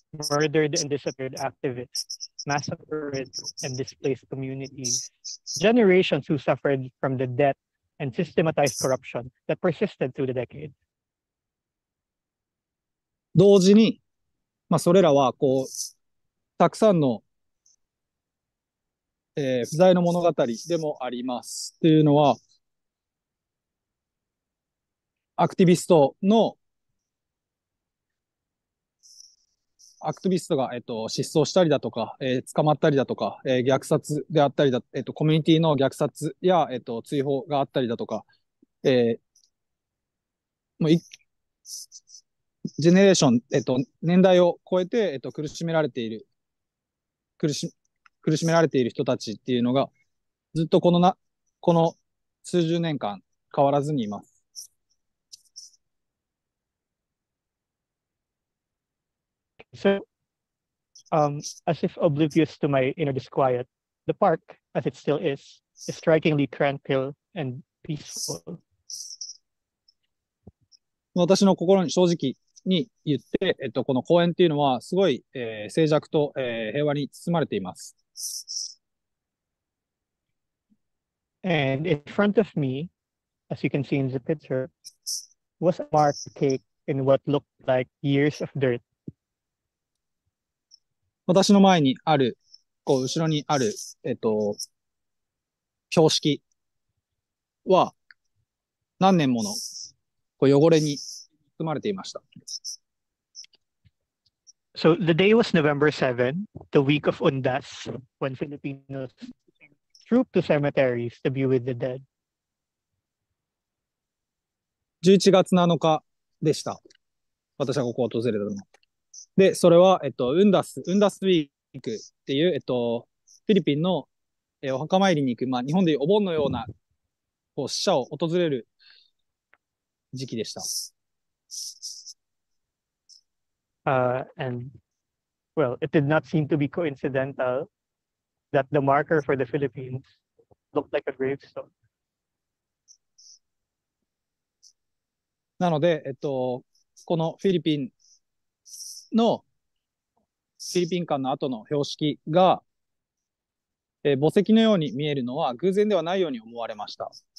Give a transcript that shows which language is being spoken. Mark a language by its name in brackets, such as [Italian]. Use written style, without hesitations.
[English] Murdered and disappeared activists, massacred and displaced communities, generations who suffered from the debt and systematized corruption that persisted through the decade. [Japanese] 同時に、まあ、それらはこうたくさんの、不在の物語でもありますというのはアクティビストのアクティビストが、失踪したりだとか、捕まったりだとか、虐殺であったりだ、コミュニティの虐殺や、追放があったりだとか、もうジェネレーション、年代を超えて、苦しめられている、苦しめられている人たちっていうのが、ずっとこのな、この数十年間変わらずにいます。 [English] So, as if oblivious to my inner disquiet, the park, as it still is strikingly tranquil and peaceful. [Japanese] 私の心に正直に言って、この公園っていうのはすごい、静寂と、平和に包まれています。 [English] And in front of me, as you can see in the picture, was a marked cake in what looked like years of dirt. [Japanese] 私の前にある、こう後ろにある、標識は何年もの汚れに包まれていました。 [English] So the day was November 7, the week of Undas, when Filipinos trooped to cemeteries to be with the dead. [Japanese] 11月7日でした。私はここを訪れたの。で、それは、Undas Week っていう、フィリピンの、お墓参りに行く、まあ、日本でいうお盆のような、こう、死者を訪れる時期でした。 [English] And well, it did not seem to be coincidental that the marker for the Philippines looked like a gravestone. [Japanese] なので、このフィリピン館の後の標識が、墓石のように見えるのは偶然ではないように思われました。